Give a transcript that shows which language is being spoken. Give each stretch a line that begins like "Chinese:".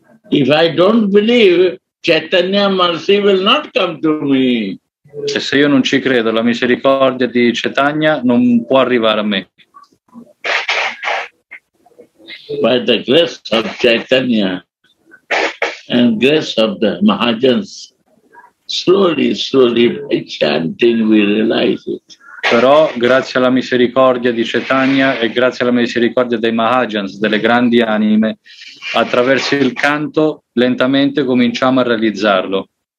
English: If I don't believe, Chaitanya Mercy will not come to me.
Italian: E se io non ci credo, la misericordia di Chaitanya non può arrivare a me.
English: By the grace of Chaitanya and grace of the Mahajans, slowly, slowly by chanting we realize it.
Italian: Però grazie alla misericordia di Chaitanya e grazie alla misericordia dei Mahajans, delle grandi anime, attraverso il canto lentamente cominciamo a realizzarlo.